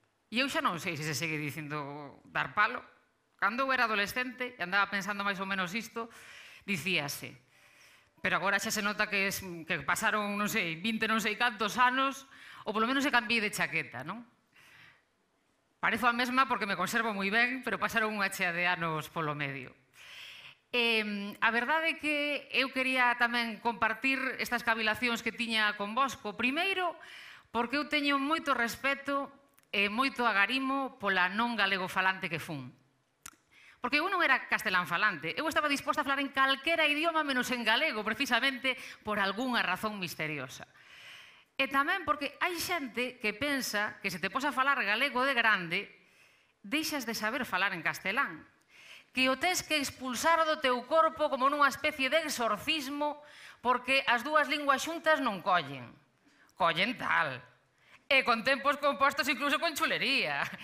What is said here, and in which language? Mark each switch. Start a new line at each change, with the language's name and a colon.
Spanish: Y yo ya no sé si se sigue diciendo dar palo. Cuando era adolescente y andaba pensando más o menos esto, decíase. Pero ahora ya se nota que pasaron, no sé, 20, no sé cuántos años, o por lo menos se cambié de chaqueta, ¿no?
Galician: Parezo a mesma
Spanish: porque me conservo muy bien, pero pasaron un hacha de años por lo medio.
Galician: A verdade é que eu quería tamén compartir estas cavilacións que tiña convosco. Primeiro, porque eu teño moito respeto e moito agarimo pola non galego falante que fun. Porque eu non era castelán falante, eu estaba disposta a falar en calquera idioma menos en galego, precisamente por algunha razón misteriosa. E tamén porque hai xente que pensa que se te posa a falar galego de grande, deixas de saber falar en castelán, que o tens que expulsar do teu corpo como nunha especie de exorcismo porque as dúas linguas xuntas non collen. Collen tal. E con tempos compostos incluso con chulería.